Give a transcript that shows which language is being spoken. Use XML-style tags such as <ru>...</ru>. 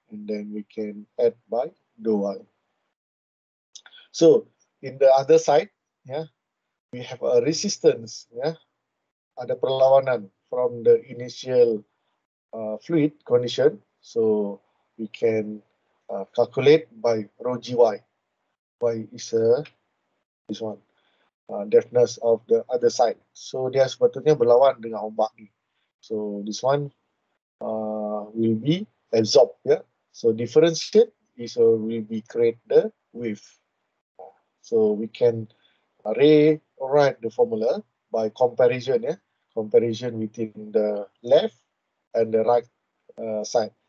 <en>And then we can add by dou y. So in the other side, we have a resistance,</en> <ms>ada perlawanan</ms> <en>from the initial fluid condition. So we can calculate by rho g y. Y is this one, depthness of the other side.</en> <ms>So dia sebetulnya berlawan dengan ombak ni.</ms> <en>So this one will be absorbed, So differentiate is will be create the wave. So we can rewrite the formula by comparison, comparison within the left and the right side.</en>